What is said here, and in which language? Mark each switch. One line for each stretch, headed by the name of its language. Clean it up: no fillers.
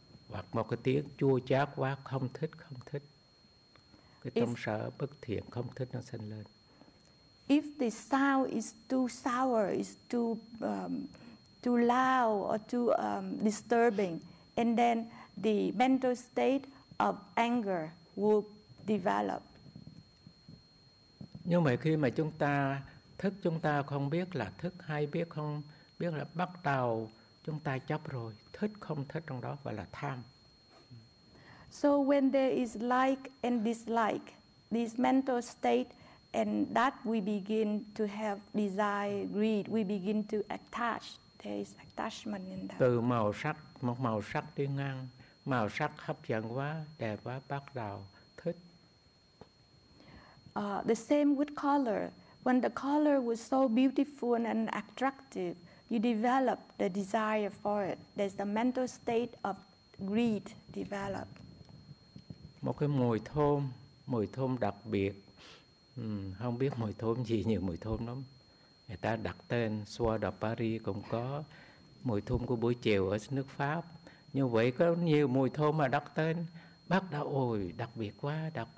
Vietnamese: Hoặc một cái tiếng chua chát quá, không thích. Cái tâm sở bất thiện, không thích nó sinh lên.
English: If the sound is too sour, is too too loud or too disturbing, and then the mental state of anger will develop.
Vietnamese: Nhưng mà khi mà chúng ta thức, chúng ta không biết là thức hay biết không, biết là bắt đầu chúng ta chấp rồi, thích không thích trong đó gọi là tham.
English: So when there is like and dislike, this mental state, and that we begin to have desire, greed, we begin to attach. There is attachment in that.
Vietnamese: Từ màu sắc, một màu sắc đi ngang, màu sắc hấp dẫn quá, đẹp quá, bắt đầu thích.
English: The same with color. When the color was so beautiful and attractive, you develop the desire for it. There's the mental state of greed develop.
Vietnamese: Một cái mùi thơm đặc biệt. Không biết mùi thơm gì, nhiều mùi thơm lắm. Người ta đặt tên Soie de Paris cũng có. Mùi thơm của buổi chiều ở nước Pháp. Như vậy có nhiều mùi thơm mà đặt tên. Bắt đầu, đặc biệt quá.